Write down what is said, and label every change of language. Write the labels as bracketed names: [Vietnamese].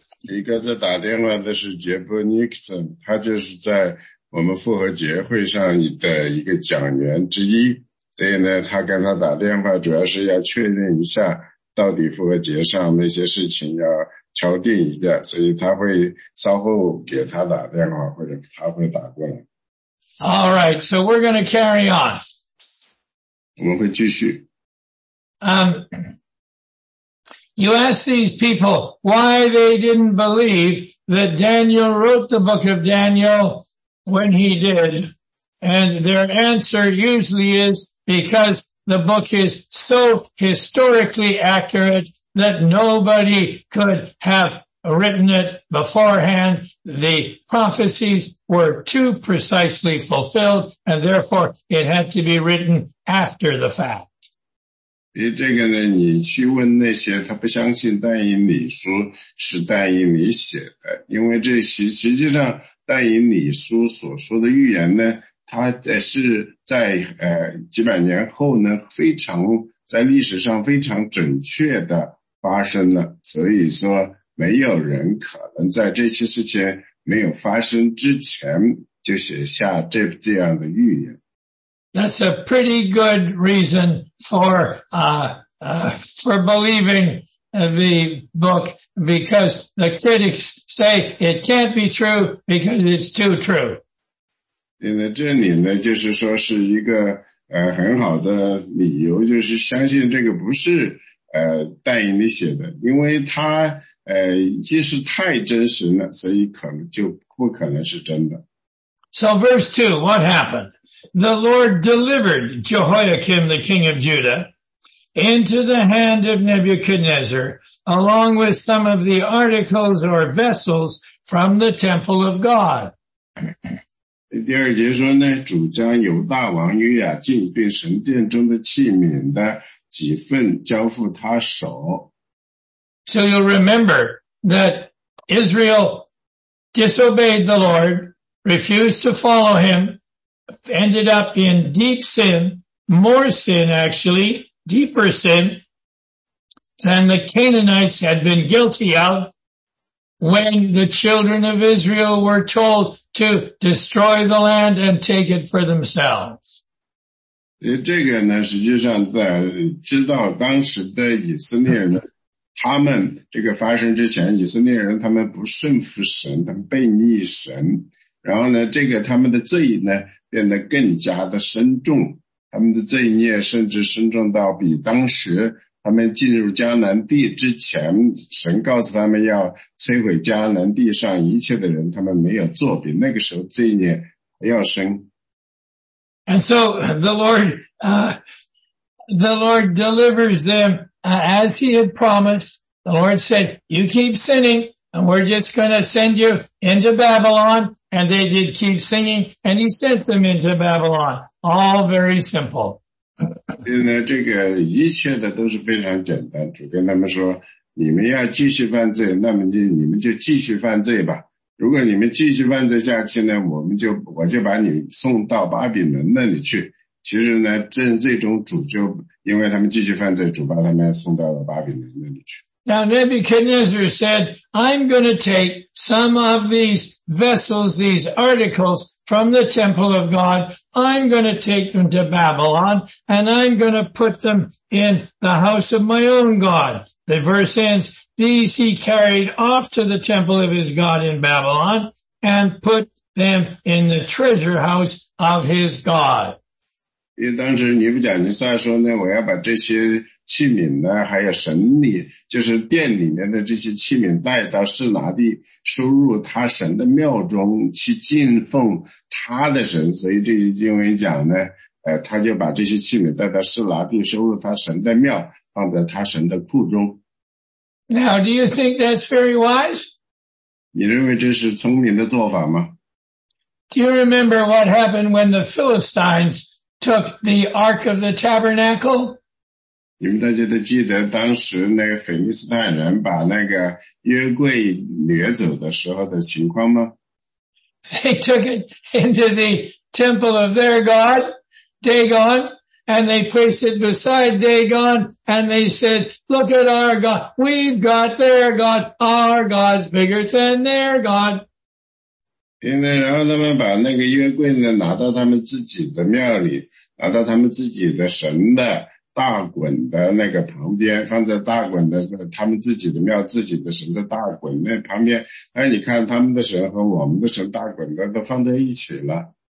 [Chinese] 一个在打电话的是杰布·尼克森，他就是在我们复活节会上的一个讲员之一，所以呢，他跟他打电话主要是要确认一下到底复活节上那些事情要敲定一下，所以他会稍后给他打电话，或者他会打过来。 [English] All right, so we're going to carry on. [Chinese] 我们会继续。 [English] You ask these people why they didn't believe that Daniel wrote the book of Daniel when he did. And their answer usually is because the book is so historically accurate that nobody could have written it beforehand. The prophecies were too precisely fulfilled and therefore it had to be written after the fact. [Chinese] 所以这个呢，你去问那些他不相信但以理书是但以理写的，因为这实际上但以理书所说的预言呢，它是在几百年后呢，非常在历史上非常准确的发生了，所以说没有人可能在这些事情没有发生之前就写下这样的预言。 [English] That's a pretty good reason for believing the book because the critics say it can't be true because it's too true. [Chinese] 因为这里呢就是说是一个很好的理由，就是相信这个不是但以理写的，因为它即使太真实了，所以可能就不可能是真的。 [English] So verse 2, what happened? The Lord delivered Jehoiakim, the king of Judah, into the hand of Nebuchadnezzar, along with some of the articles or vessels from the temple of God. [Chinese] 第二节说呢，主将犹大王约雅敬并神殿中的器皿的几份交付他手。 [English] So you'll remember that Israel disobeyed the Lord, refused to follow him,ended up in deep sin, more sin actually, deeper sin than the Canaanites had been guilty of when the children of Israel were told to destroy the land and take it for themselves. [Chinese] 这个呢实际上在知道当时的以色列人他们这个发生之前以色列人他们不顺服神，他们背逆神，然后呢这个他们的罪呢变得更加的深重，他们的罪孽甚至深重到比当时他们进入迦南地之前，神告诉他们要摧毁迦南地上一切的人，他们没有做，比那个时候罪孽还要深。 [English] And so the Lord delivers them as he had promised. The Lord said, you keep sinning and we're just going to send you into Babylon. And they did keep sinning and he sent them into Babylon. All very simple. [Chinese] 所以呢，这个一切的都是非常简单。主跟他们说，你们要继续犯罪，那么你们就继续犯罪吧。如果你们继续犯罪下去呢，我就把你送到巴比伦那里去。其实呢，最终主就因为他们继续犯罪，主把他们送到了巴比伦那里去。 [English] Now Nebuchadnezzar said, I'm going to take some of these vessels, these articles from the temple of God. I'm going to take them to Babylon and I'm going to put them in the house of my own God. The verse ends, these he carried off to the temple of his God in Babylon and put them in the treasure house of his God. [Chinese] 因为当时尼布甲尼撒说呢，我要把这些器皿呢，还有神里，就是殿里面的这些器皿带到示拿地，收入他神的庙中去敬奉他的神。所以这些经文讲呢，他就把这些器皿带到示拿地，收入他神的庙，放在他神的库中。 [English] Now, do you think that's very wise? [Chinese] 你认为这是聪明的做法吗？ [English] Do you remember what happened when the Philistines took the Ark of the Tabernacle? [Chinese] 你们大家都记得当时那个腓尼斯泰人把那个约柜掠走的时候的情况吗？ [English] They took it into the temple of their god, Dagon, and they placed it beside Dagon, and they said, look at our god, we've got their god, our god's bigger than their god. [Chinese] 现在然后他们把那个约柜呢拿到他们自己的庙里，拿到他们自己的神的大滚的那个旁边，放在大滚的他们自己的庙，自己的神的大滚那旁边。哎，你看他们的神和我们的神大滚的都放在一起了。